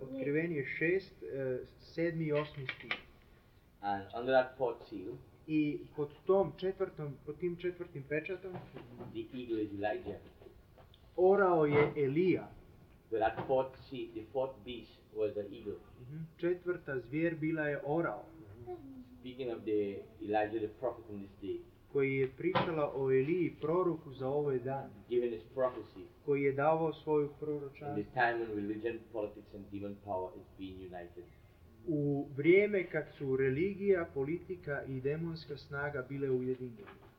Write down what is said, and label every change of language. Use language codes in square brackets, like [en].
[hr] Otkrivenje 6, 7 i 8 stih. [en] And under that fourth seal. [hr] I pod tom četvrtom, pod tim četvrtim pečatom. [en] The eagle is Elijah. [hr] Orao je Elija. [en] So that fourth seal, the fourth beast was the eagle. Mm-hmm. [hr] Četvrta zvijer bila je orao. [en] Speaking of the Elijah the prophet in this day. [hr] Koji je pričala o Eliji proroku za ovaj dan. [en] Given his prophecy. [hr] Koji je davao svoju proročanstvo. [en] In the time when religion, politics and demon power is being united. [hr] U vrijeme kad su religija, politika i demonska snaga bile ujedinjene.